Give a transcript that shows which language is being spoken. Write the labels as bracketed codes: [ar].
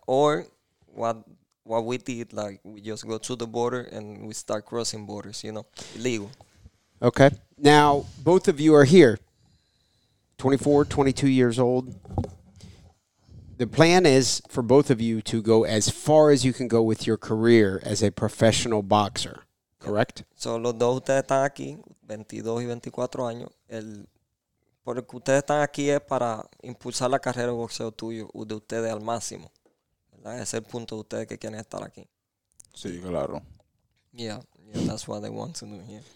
[en] Or what we did, we just go to the border and we start crossing borders, you know, illegal. Okay. Now, both of you are here. 24, 22 years old. The plan is for both of you to go as far as you can go with your career as a professional boxer, correct? [es] So, los dos ustedes están aquí, 22 y 24 años. Por el que ustedes están aquí es para impulsar la carrera de boxeo tuyo, de ustedes al máximo. ¿Verdad? Es el punto de ustedes que quieren estar aquí. Sí, claro. [en] Yeah, that's what they want to do here.